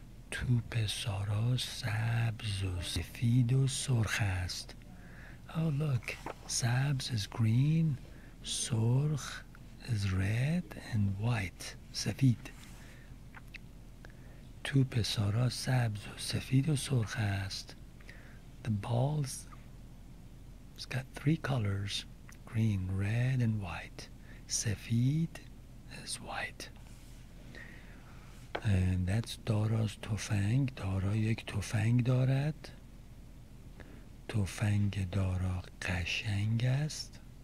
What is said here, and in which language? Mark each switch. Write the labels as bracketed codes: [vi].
[fa] توپ سارا سبز و سفید و سرخ است. [en] Oh look, سبز is green, سرخ is red and white. [fa] سفید. توپ سارا سبز و سفید و سرخ است. [en] The balls, it's got three colors, green, red, and white. Sefid is white. And that's Dara's tofang. [fa] Dara yek tofang darat. Tofang Dara qashang ast.